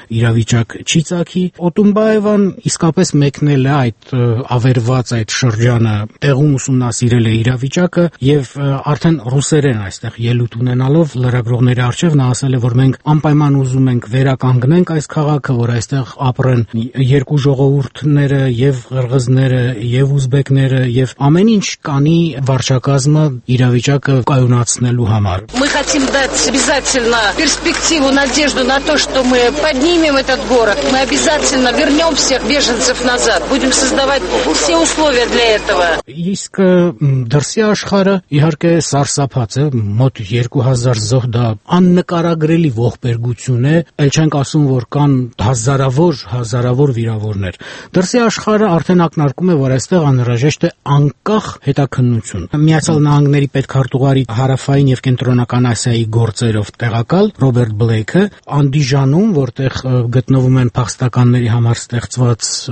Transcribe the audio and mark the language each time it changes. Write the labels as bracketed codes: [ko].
[hy] իրավիճակ չի ծագի։ Օտումբայևան իսկապես մեկնել է այդ ավերված այդ շրջանը, տեղում ուսումնասիրել է իրավիճակը եւ արդեն ռուսերեն այստեղ ելույթ ունենալով լրագրողների առջեւ նա ասել է, որ մենք անպայման ուզում ենք վերականգնենք այս քաղաքը, որ այստեղ ապրեն երկու ժողովուրդները եւ ղրղզները եւ ուզբեկները եւ ամեն ինչ կանի վարչակազմը իրավիճակը կայունացնելու համար։ [ru] Мы хотим дать обязательно перспективу, надежду на то, что мы поднимем этот город. Мы обязательно вернём всех беженцев назад. Будем создавать все условия для этого. [hy] Իսկ դրսի աշխարը իհարկե սարսափած է, մոտ 2000 զոհ, դա աննկարագրելի ողբերգություն է, այլ չենք ասում, որ կան հազարավոր վիրավորներ։ Դրսի աշխարը արդեն ակնարկում է, որ այստեղ անհրաժեշտ է անկախ հետաքննություն։ Միացյալ Նահանգների պետքարտուղարի հարավային եւ կենտրոնական Ասիայի գործերով տեղակալ Ռոբերտ Բլեյքը Անդիժանում, որտեղ գտնվում են փախստականների համար ստեղծված